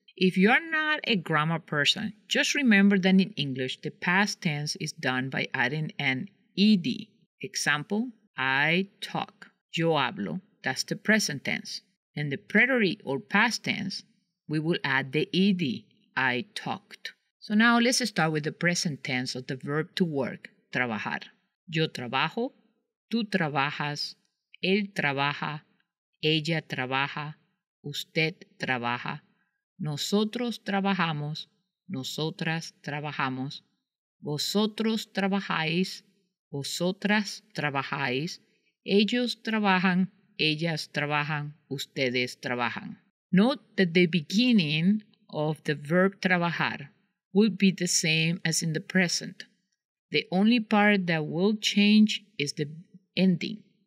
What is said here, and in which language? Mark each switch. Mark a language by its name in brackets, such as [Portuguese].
[English] If you are not a grammar person, just remember that in English, the past tense is done by adding an ed. Example, I talk, [Spanish] yo hablo, [English] that's the present tense. In the preterite or past tense, we will add the ed, I talked. So now let's start with the present tense of the verb to work, trabajar. [Spanish] Yo trabajo, tú trabajas, él trabaja, ella trabaja, usted trabaja, nosotros trabajamos, nosotras trabajamos, vosotros trabajáis, vosotras trabajáis, ellos trabajan, ellas trabajan, ustedes trabajan. [English] Note that the beginning of the verb trabajar will be the same as in the present. The only part that will change is the ending.